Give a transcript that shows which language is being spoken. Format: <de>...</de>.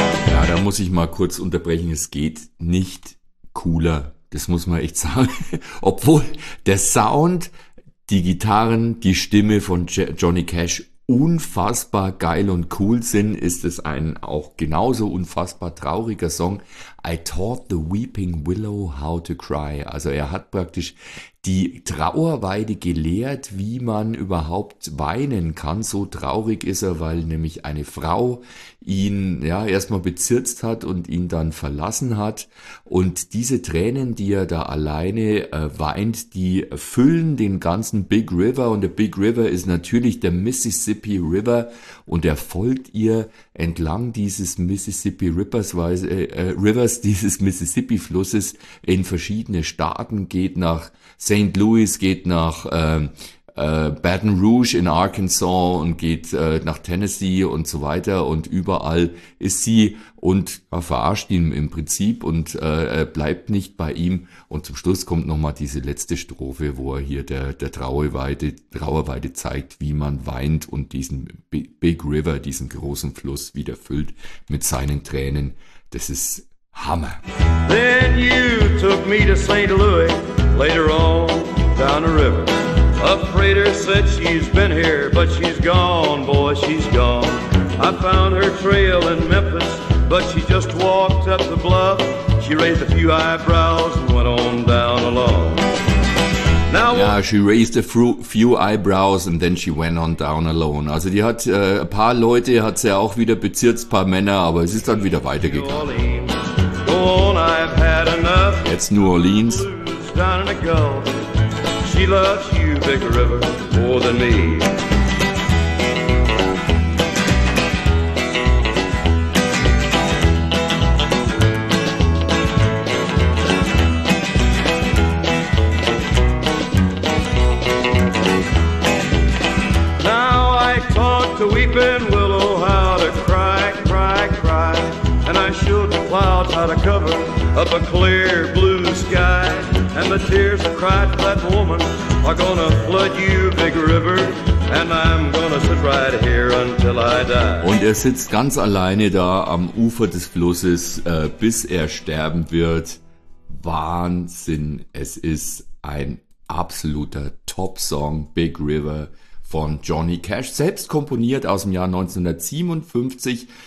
<de>Ja, da muss ich mal kurz unterbrechen. Es geht nicht cooler. Das muss man echt sagen. Obwohl der Sound, die Gitarren, die Stimme von Johnny Cash unfassbar geil und cool sind, ist es ein auch genauso unfassbar trauriger Song,</de> <en>I taught the weeping willow how to cry.</en> <de>Also er hat praktisch die Trauerweide gelehrt, wie man überhaupt weinen kann. So traurig ist er, weil nämlich eine Frau ihn ja erstmal bezirzt hat und ihn dann verlassen hat. Und diese Tränen, die er da alleine weint, die füllen den ganzen Big River. Und der Big River ist natürlich der Mississippi River. Und er folgt ihr entlang dieses Mississippi Rivers, dieses Mississippi-Flusses in verschiedene Staaten, geht nach St. Louis, geht nach Baton Rouge in Arkansas und geht nach Tennessee und so weiter, und überall ist sie und verarscht ihn im Prinzip und bleibt nicht bei ihm. Und zum Schluss kommt nochmal diese letzte Strophe, wo er hier der Trauerweide zeigt, wie man weint und diesen Big River, diesen großen Fluss, wieder füllt mit seinen Tränen. Das ist Hammer.</de> <en>Then you took me to St. Louis, later on down the river. A freighter said she's been here, but she's gone, boy, she's gone. I found her trail in Memphis, but she just walked up the bluff. She raised a few eyebrows and went on down alone. Yeah, she raised a few eyebrows and then she went on down alone.</en> <de>Also die hat ein paar Leute, hat sie auch wieder bezirzt, paar Männer, aber es ist dann wieder weitergegangen.</de> <en>Go on, I've had enough.</en> <de>Jetzt New Orleans.</de> <en>Down in the Gulf. She loves you, Big River, more than me. Now I taught the weeping willow how to cry, cry, cry. And I showed the clouds how to cover up a clear blue sky. And the tears that cried for that woman are gonna flood you, Big River. And I'm gonna sit right here until I die.</en> <de>Und er sitzt ganz alleine da am Ufer des Flusses, bis er sterben wird. Wahnsinn, es ist ein absoluter Top-Song, Big River von Johnny Cash, selbst komponiert aus dem Jahr 1957.</de>